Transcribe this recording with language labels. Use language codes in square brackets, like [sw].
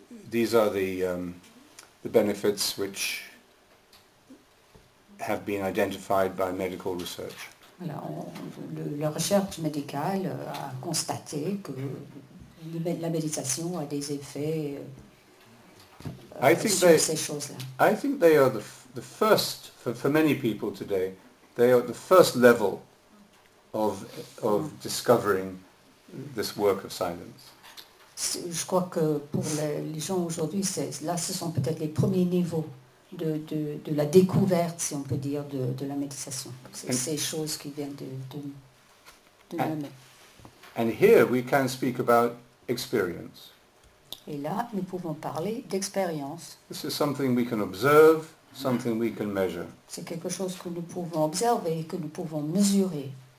[en] These are the benefits which have been identified by medical research. [fr] La recherche médicale a constaté que la méditation a des effets sur ces choses-là. [en] I think they are the first, for many people today, they are the first level of discovering this work of silence. [fr] Je crois que pour les gens aujourd'hui, ce sont peut-être les premiers niveaux de la découverte, si on peut dire, de la méditation. C'est ces choses qui viennent de nous. [en] And here we can speak about experience. [fr] Et là, nous pouvons parler d'expérience. [en] This is something we can observe, something we can measure. [fr] C'est quelque chose que nous pouvons observer et que nous pouvons mesurer.